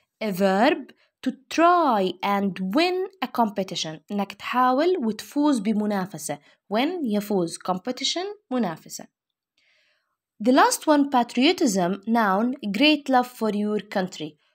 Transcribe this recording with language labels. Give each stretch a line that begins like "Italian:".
English: A verb to try and win a competition.
Arabic: إنك تحاول وتفوز بمنافسة.
English: When يفوز. Competition منافسة. The last one, patriotism, noun, great love for your country.